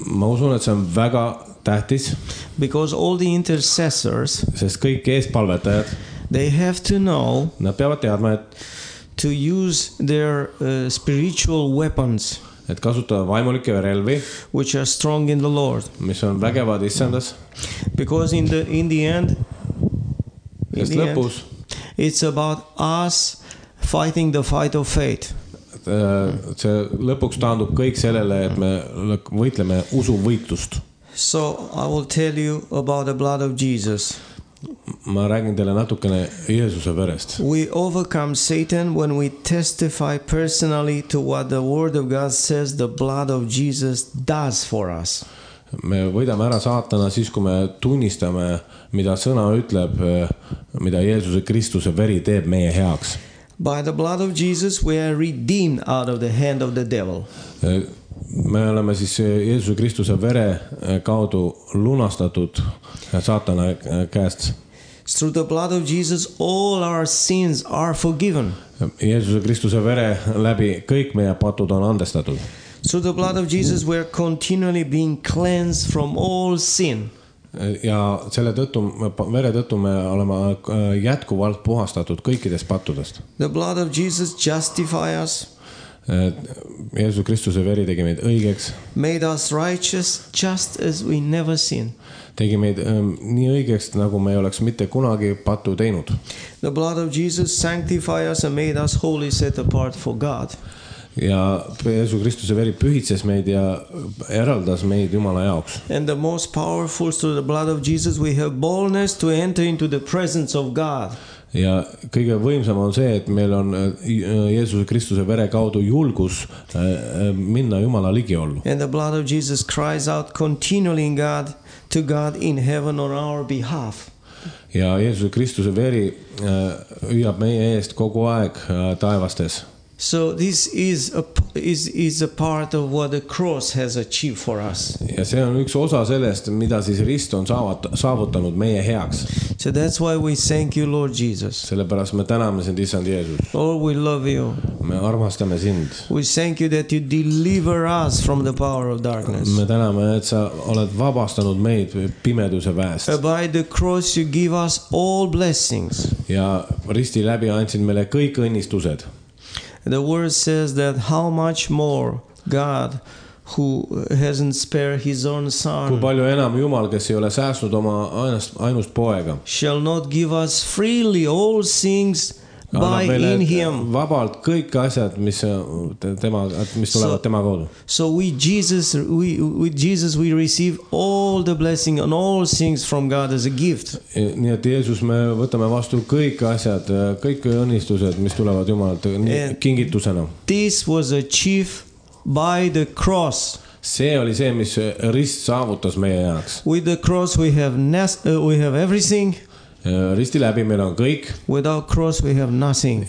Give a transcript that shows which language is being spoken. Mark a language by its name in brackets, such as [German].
[Estonian] Ma usun, et see on väga tähtis. [English] Because all the intercessors, [Estonian] sest kõik eespalvetajad, [English] they have to know, [Estonian] nad peavad teadma, et [English] to use their spiritual weapons, [Estonian] et kasutada vaimulike relvi, [English] which are strong in the Lord, [Estonian] mis on vägevad Issandas. [English] Because in the end, it's about us fighting the fight of faith. [Estonian] See lõpuks taandub kõik sellele, et me võitleme usu võitust. [English] So I will tell you about the blood of Jesus. [Estonian] Ma räägin teile natukene Jeesuse verest. [English] We overcome Satan when we testify personally to what the word of God says the blood of Jesus does for us. [Estonian] Me võidame ära saatana siis, kui me tunnistame, mida sõna ütleb, mida Jeesuse Kristuse veri teeb meie heaks. [English] By the blood of Jesus we are redeemed out of the hand of the devil. [Estonian] Me oleme siis Jeesuse Kristuse vere kaudu lunastatud saatana käest. [English] Through the blood of Jesus all our sins are forgiven. [Estonian] Jeesuse Kristuse vere läbi kõik meie patud on andestatud. [English] Through the blood of Jesus we are continually being cleansed from all sin. [Estonian] Ja selle tõttu, vere tõttu me oleme jätkuvalt puhastatud kõikidest pattudest. [English] The blood of Jesus justify us. [Estonian] Jeesus Kristuse veri tegi meid õigeks. [English] Made us righteous just as we never sinned. [Estonian] Tegi meid nii õigeks, nagu me ei oleks mitte kunagi patu teinud. [English] The blood of Jesus sanctify us and made us holy set apart for God. [Estonian] Ja Jeesu Kristuse veri pühitses meid ja eraldas meid Jumala jaoks. [English] And the most powerful through the blood of Jesus we have boldness to enter into the presence of God. [Estonian] Ja kõige võimsam on see, et meil on Jeesuse Kristuse vere kaudu julgus minna Jumala ligi ollu. [English] And the blood of Jesus cries out continually in God to God in heaven on our behalf. [Estonian] Ja Jeesuse Kristuse veri hüüab meie eest kogu aeg taevastes. [English] So this is a part of what the cross has achieved for us. [Estonian] Ja see on üks osa sellest, mida siis rist on saavutanud meie heaks. [English] So that's why we thank you, Lord Jesus. [Estonian] Sellepärast me täname sind, Isand Jeesus. [English] Lord, we love you. [Estonian] Me armastame sind. [English] We thank you that you deliver us from the power of darkness. [Estonian] Me täname, et sa oled vabastanud meid pimeduse väest. [English] By the cross you give us all blessings. [Estonian] Ja risti läbi andsid meile kõik õnnistused. [English] The word says that how much more God who hasn't spared his own son. [Estonian] Kui palju enam Jumal, kes ei ole säästnud oma ainust poega. [English] Shall not give us freely all things by in him. [Estonian] Vabalt kõik asjad, mis tulevad tema kaudu. [English] So with Jesus we receive all the blessing and all things from God as a gift. [Estonian] Nii et Jeesus me võtame vastu kõik asjad, kõik õnnistused, mis tulevad Jumalalt kingitusena. [English] This was achieved by the cross. [Estonian] See oli see, mis rist saavutas meie jaoks. [English] With the cross we have everything. [Estonian] Risti läbi meil on kõik. [English] Without cross we have nothing.